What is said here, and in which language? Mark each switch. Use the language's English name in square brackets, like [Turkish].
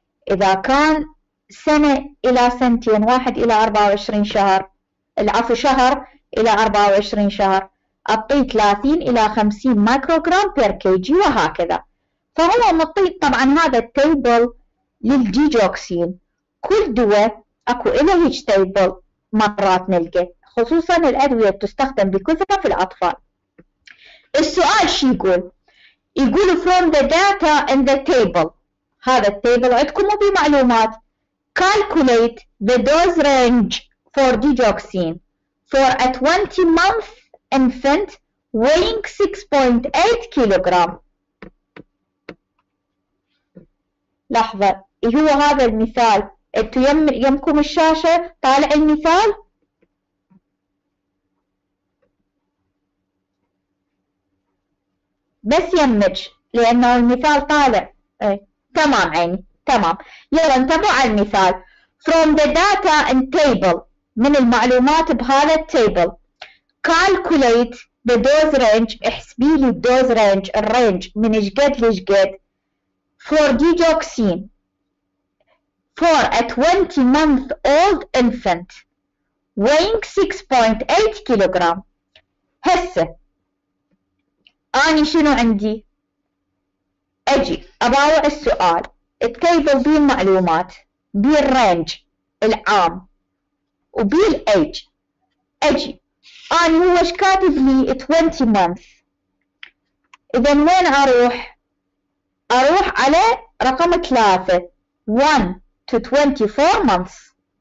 [Arabic] اذا كان سنه الى سنتين، 1 الى 24 شهر، العفو شهر الى 24 شهر، اعطيه 30 الى 50 مايكروغرام بير كي جي وهكذا. فهو معطي طبعا هذا التيبل للديجوكسين. كل دواء اكو له هيج تيبل مرات نلقى، خصوصا الادويه تستخدم بكثره في الاطفال. السؤال شو يقول؟ يقول [English] from the data in the table، [Arabic] هذا التيبل عندكم وبي معلومات، [English] calculate the dose range for digoxin for a 20 month infant weighing 6.8 kilogram. [Arabic] لحظة، هو هذا المثال، انتو يمكم الشاشة طالع المثال؟ بس يمج لانه المثال طالع. تمام عيني، تمام. يلا انتبهوا على المثال. [English] From the data and table، [Arabic] من المعلومات بهذا التيبل، [English] calculate the dose range، [Arabic] احسبي لي الدوز رينج، الرينج من اشقد لشقد [English] for digoxin for a 20 month old infant weighing 6.8 kilogram. [Arabic] هسه أنا شنو عندي؟ أجي أباوع السؤال، التيبل بيه المعلومات، بيه الرينج العام وبيه الايج. أجي أنا هو ايش كاتب لي 20 مانث؟ إذا وين أروح؟ أروح على رقم 3 [English] 1 to 24 months.